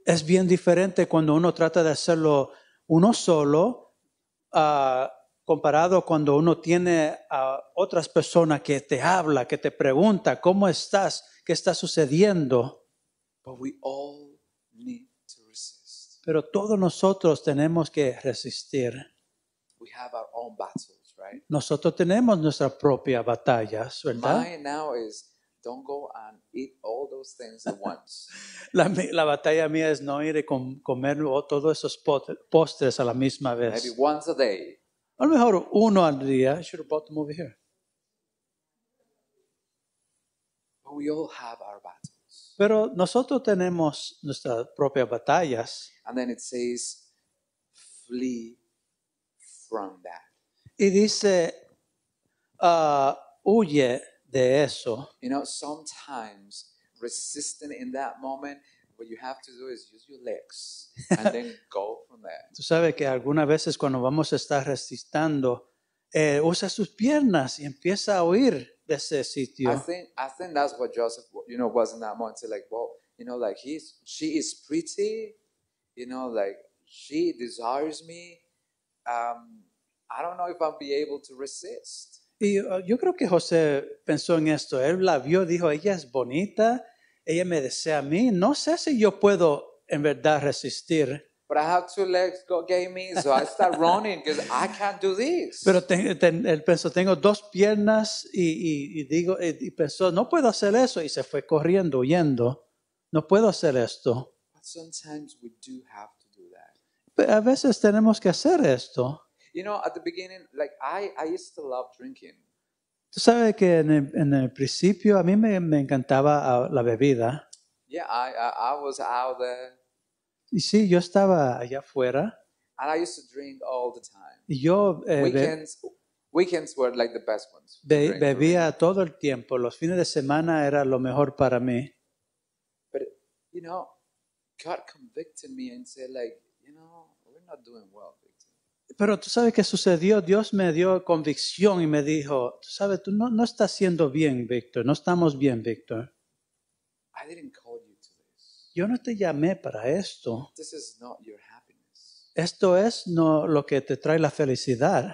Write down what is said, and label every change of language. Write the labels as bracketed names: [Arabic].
[Spanish] Es bien diferente cuando uno trata de hacerlo uno solo comparado cuando uno tiene a otras personas que te habla, que te pregunta, ¿cómo estás? ¿Qué está sucediendo? [English] But we all need to resist. [Spanish] Pero todos nosotros tenemos que resistir. [English] We have our own battles, right? [Spanish] Nosotros tenemos nuestra propia batalla, ¿verdad? [English] Mine now is don't go and eat all those things at once. [Spanish] La batalla mía es no ir y comer todos esos postres a la misma vez. [English] Maybe once a day. [Spanish] A lo mejor uno al día. [English] I should have brought them over here. But we all have our battles. [Spanish] Pero nosotros tenemos nuestras propias batallas. [English] And then it says, flee from that. [Spanish] Y dice, huye de eso. [English] You know, sometimes resisting in that moment, what you have to do is use your legs and then go from there. [Spanish] Tú sabes que algunas veces cuando vamos a estar resistiendo, usa sus piernas y empieza a huir de ese sitio. [English] I think that's what Joseph, you know, was in that moment. He's like, well, you know, like she is pretty, you know, like she desires me. I don't know if I'll be able to resist. [Spanish] Y yo creo que José pensó en esto. Él la vio, dijo, ella es bonita, ella me desea a mí. No sé si yo puedo en verdad resistir. [English] But I have two legs, God gave me, so I start running because I can't do this. [Spanish] Pero él pensó, tengo dos piernas y pensó, no puedo hacer eso. Y se fue corriendo, huyendo. No puedo hacer esto. [English] But sometimes we do have to do that. [Spanish] Pero a veces tenemos que hacer esto. [English] You know, at the beginning, like I used to love drinking. [Spanish] Tú sabes que en el principio a mí me encantaba la bebida. [English] Yeah, I was out there. [Spanish] Y sí, yo estaba allá afuera. [English] And I used to drink all the time. [Spanish] Y yo [English] weekends were like the best ones. [Spanish] Bebía todo el tiempo. Los fines de semana era lo mejor para mí. [English] But you know, God convicted me and said, like, you know, we're not doing well. [Spanish] Pero tú sabes qué sucedió. Dios me dio convicción y me dijo, tú sabes, tú no estás haciendo bien, Víctor. No estamos bien, Víctor. [English] I didn't call you to this. [Spanish] Yo no te llamé para esto. [English] This is not your happiness. [Spanish] Esto es no lo que te trae la felicidad.